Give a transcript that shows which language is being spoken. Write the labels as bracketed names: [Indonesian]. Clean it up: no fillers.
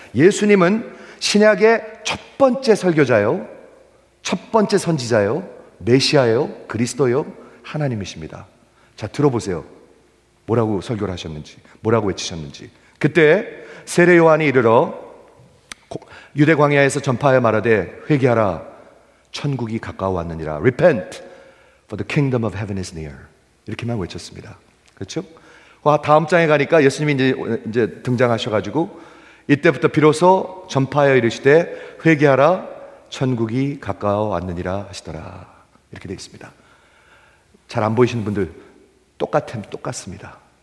[Korean] 예수님은 신약의 첫 번째 설교자요, 첫 번째 선지자요, 메시아요, 그리스도요, 하나님이십니다. 자, 들어보세요. 뭐라고 설교를 하셨는지, 뭐라고 외치셨는지. 그때 세례 요한이 이르러 유대 광야에서 전파하여 말하되 회개하라, 천국이 가까워 왔느니라. [English] Repent, for the kingdom of heaven is near. [Korean] 이렇게만 외쳤습니다. 그렇죠? 와, 다음 장에 가니까 예수님이 이제 등장하셔가지고 이때부터 비로소 전파하여 이르시되 회개하라, 천국이 가까워 왔느니라 하시더라. 이렇게 되어 있습니다. 잘 안 보이시는 분들 똑같습니다.